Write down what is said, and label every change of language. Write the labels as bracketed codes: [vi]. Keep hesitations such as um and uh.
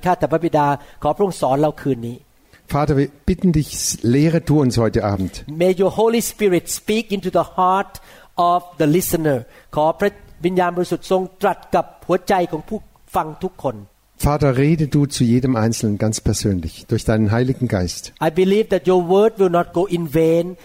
[th] ข้าแต่พระบิดาขอพระองค์สอนเราคืนนี้ [de] wir bitten dich, lehre du uns heute Abend. [en] May your Holy Spirit speak into the heart of the listener. [th] ขอพระวิญญาณบริสุทธิ์ทรงตรัสกับหัวใจของผู้ฟังทุกคน [de] Vater, rede du zu jedem Einzelnen ganz persönlich durch deinen Heiligen Geist. [en] I believe that your word will not go in vain.